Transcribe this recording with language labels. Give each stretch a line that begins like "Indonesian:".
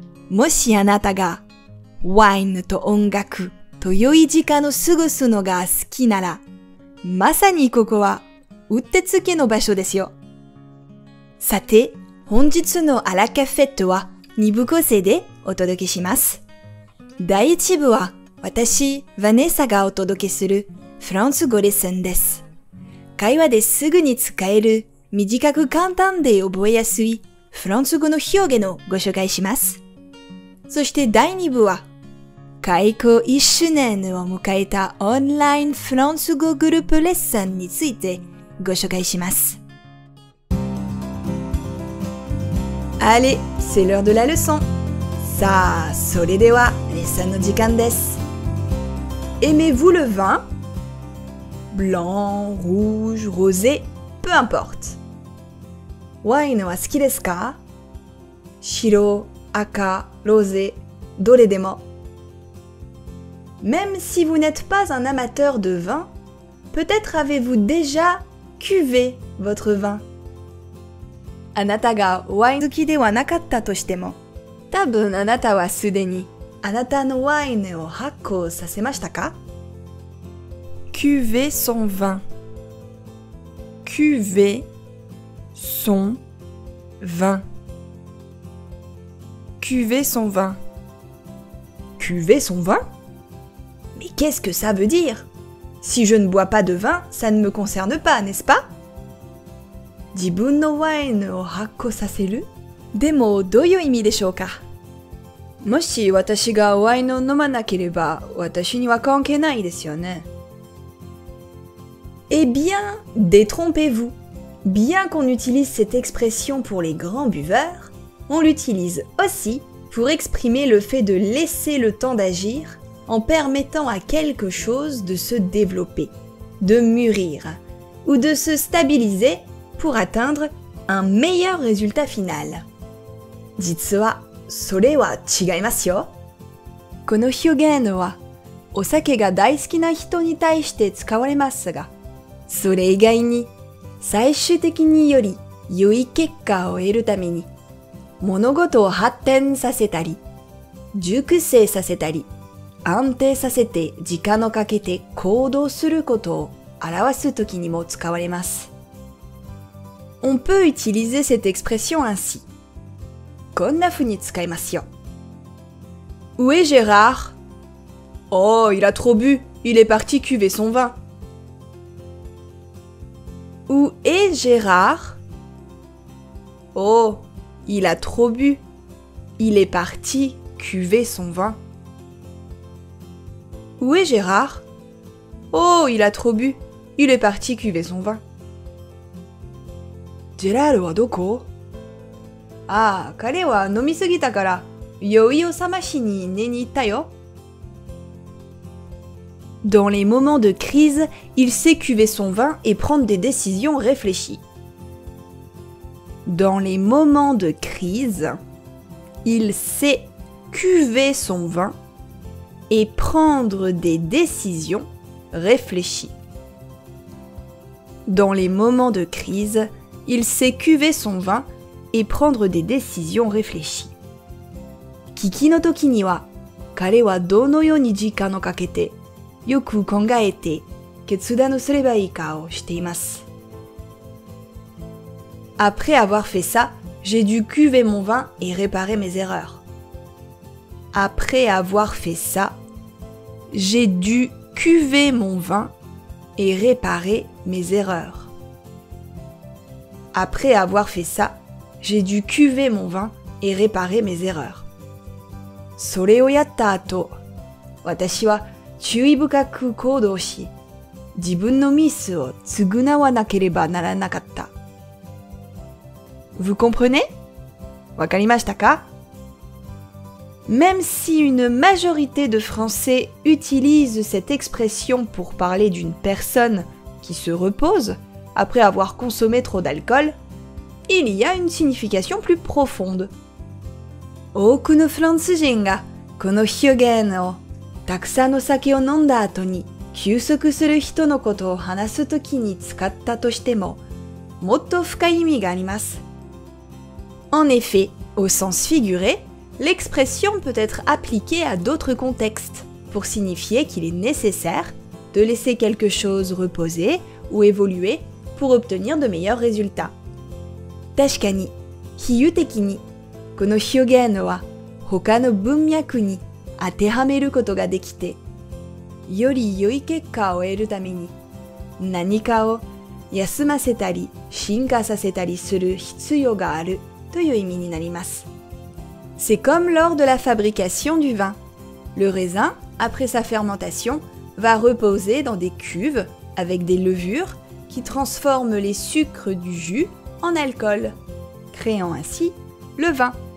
Japanese: もしあなたがワインと音楽と良い時間を過ごすのが好きなら、まさにここはうってつけの場所ですよ。さて、本日のアラカフェットは2部構成でお届けします。第一部は私、ヴァネサがお届けするフランス語レッスンです。会話ですぐに使える短く簡単で覚えやすいフランス語の表現をご紹介します。そして第二部は開校1周年を迎えたオンラインフランス語グループレッスンについてご紹介します。
French: Allez, c'est l'heure de la leçon!
Japanese: さあ、それではレッスンの時間です。
French: Aimez-vous le vin? blanc, rouge, rosé, peu importe.
Japanese: ワインは好きですか？白、赤、ロゼ、どれでも。
French: Même si vous n'êtes pas un amateur de vin, peut-être avez-vous déjà cuvé votre vin.
Japanese: あなたがワイン好きではなかったとしても、多分あなたはすでにあなたのワインを発酵させましたか？
French: Cuvé son vin. Cuvé son vin. Cuvé son vin. Cuvé son vin? Mais qu'est-ce que ça veut dire? Si je ne bois pas de vin, ça ne me concerne pas, n'est-ce pas?
Japanese: 自分のワインを発酵させる？でもどういう意味でしょうか？もし私がワインを飲まなければ、私には関係ないですよね。
French: Eh bien, détrompez-vous. Bien qu'on utilise cette expression pour les grands buveurs, on l'utilise aussi pour exprimer le fait de laisser le temps d'agir en permettant à quelque chose de se développer, de mûrir ou de se stabiliser pour atteindre un meilleur résultat final.
Japanese: 実は、それは違いますよ。この表現は、お酒が大好きな人に対して使われますが、それ以外に、最終的により良い結果を得るために、物事を発展させたり、熟成させたり、安定させて時間をかけて行動することを表すときにも使われます。
French: On peut utiliser cette expression ainsi.
Japanese: こんなふうに使いますよ。
French: Où est Gérard? Oh, il a trop bu. Il est parti cuver son vin. Où est Gérard? Oh, il a trop bu. Il est parti cuver son vin. Où est Gérard? Oh, il a trop bu. Il est parti cuver son vin.
Japanese: Gérard はどこ? Ah, 彼は飲みすぎたから酔いを覚ましに寝に行ったよ。
French: Dans les moments de crise, il sait cuver son vin et prendre des décisions réfléchies. Dans les moments de crise, il sait cuver son vin et prendre des décisions réfléchies. Dans les moments de crise, il sait cuver son vin et prendre des décisions réfléchies.
Japanese: 危機の時には、彼はどのように時間をかけてよく考えて決断をすればいいかをしています。
French: Après avoir fait ça, j'ai dû cuver mon vin et réparer mes erreurs. Après avoir fait ça, j'ai dû cuver mon vin et réparer mes erreurs. Après avoir fait ça, j'ai dû cuver mon vin et réparer mes erreurs.
Japanese: それをやった後、私は注意深く行動し、自分のミスを償わなければならなかった。
French: Vous comprenez?
Japanese: わかりましたか?
French: Même si une majorité de Français utilise cette expression pour parler d'une personne qui se repose après avoir consommé trop d'alcool, il y a une signification plus profonde.
Japanese: 多くのフランス人がこの表現をたくさんの酒を飲んだ後に休息する人のことを話すときに使ったとしても、もっと深い意味があります。
French: En effet, au sens figuré, l'expression peut être appliquée à d'autres contextes pour signifier qu'il est nécessaire de laisser quelque chose reposer ou évoluer pour obtenir de meilleurs résultats.
Japanese: 確かに、比喩的にこの表現は他の文脈に当てはめることができて、より良い結果を得るために、何かを休ませたり、進化させたりする必要があるという意味になります。
French: C'est comme lors de la fabrication du vin. Le raisin, après sa fermentation, va reposer dans des cuves avec des levures qui transforment les sucres du jus en alcool, créant ainsi le vin.